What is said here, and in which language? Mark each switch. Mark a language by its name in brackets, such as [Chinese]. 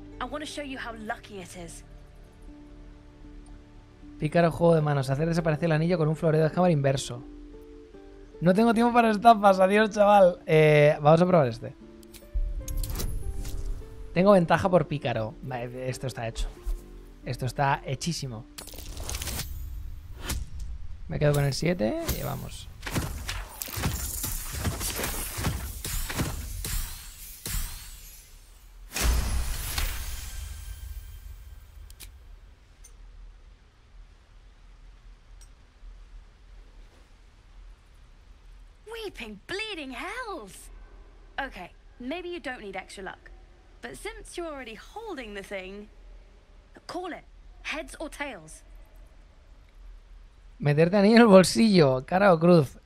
[English] I want to show you how lucky it is. [Spanish] Pícaro, juego de manos. Hacer desaparecer el anillo con un floreo de Hammer inverso. No tengo tiempo para estafas, adiós, chaval. Vamos a probar este. Tengo ventaja por pícaro. Esto está hecho. Esto está hechísimo. Me quedo con el 7 y vamos. [English] Bleeding hells. Okay, maybe you don't need extra luck, but since you're already holding the thing, call it heads or tails. [Spanish] Meterte anillo en el bolsillo, cara o cruz.